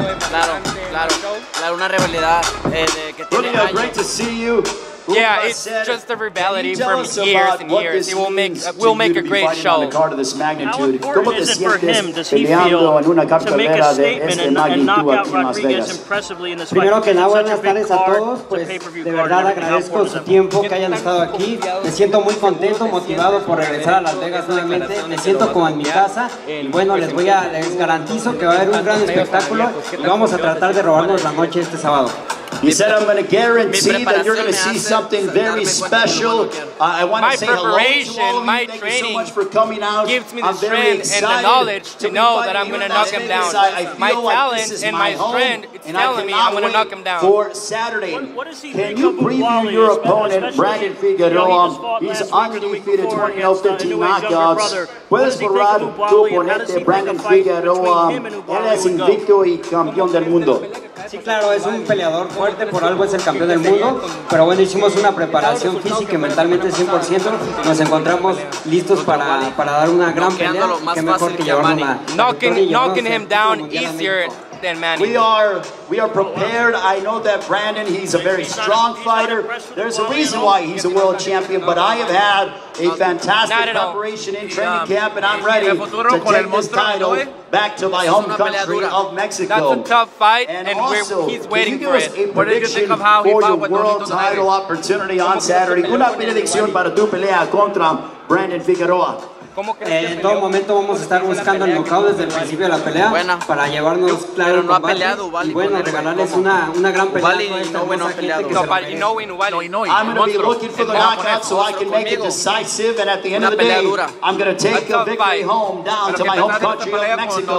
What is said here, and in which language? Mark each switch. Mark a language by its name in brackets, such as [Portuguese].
[Spanish] Claro, una rivalidad que tiene [English] años. Julio, great to see you. Yeah, it's just a rivalry from years and years. It will make a great show. On the card of this magnitude. How important is it for him, does he feel, to make a statement and knock out Rodriguez impressively in this fight? [Spanish] Primero que nada, buenas tardes a todos. Pues de verdad agradezco su tiempo que hayan estado aquí. Me siento muy contento, motivado por regresar a Las Vegas nuevamente. Me siento como en mi casa. Bueno, les garantizo que va a haber un gran espectáculo y vamos a tratar de robarnos la noche este sábado. [English] He said, I'm going to guarantee that you're going to see something very special. I want to say hello to all of you. Thank you so much for coming out. Gives me the strength and the knowledge to know that I'm going to knock him down. My talent and my strength is telling me I'm going to knock him down. For Saturday, can you preview your opponent, Brandon Figueroa? He's undefeated, 20-0-15 knockouts. [Spanish] Puedes borrar tu oponente, Brandon Figueroa. Él es invicto y campeón del mundo. Sí, claro, es un peleador fuerte, por algo es el campeón del mundo, pero bueno, hicimos una preparación física y mentalmente 100%, nos encontramos listos para dar una gran pelea, qué mejor que llevarlo a [English] knocking him down easier than Manny. We are prepared. I know that Brandon, he's a very strong fighter. There's a reason why he's a world champion, but I have had a fantastic preparation in training camp, and I'm ready to take this title back to my home country of Mexico. That's a tough fight, and also, he's waiting for it. Can you give us a prediction for your world title opportunity on Saturday? [Spanish] Una predicción para tu pelea contra Brandon Figueroa. En todo momento vamos a estar buscando el knockout desde el principio de la pelea para llevarnos claro el combate y bueno, regalarles una gran pelea a esta hermosa gente que se lo merece. [English] I'm going to be looking for the knockout so I can make it decisive, and at the end of the day I'm going to take a victory home down to my home country of Mexico.